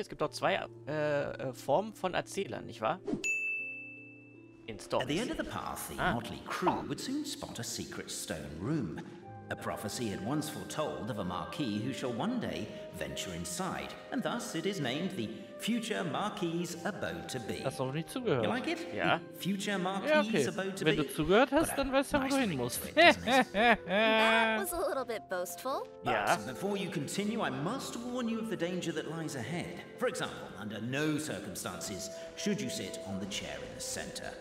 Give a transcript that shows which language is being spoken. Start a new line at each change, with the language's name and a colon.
German: Es gibt doch zwei Formen von Erzählern, nicht wahr? In Storm.
English: At the end of the path, the motley crew would soon spot a secret stone room. A prophecy had once foretold of a marquis who shall one day venture inside. And thus it is named the future marquis abode to be.
German: Hast du nicht zugehört?
English: You like it?
German: Ja.
English: The future marquis abode to be.
German: Wenn du zugehört hast, dann weißt du, wohin musst.
English: That was a little bit boastful. Yeah. But before you continue, I must warn you of the danger that lies ahead. For example, under no circumstances should you sit on the chair in the center.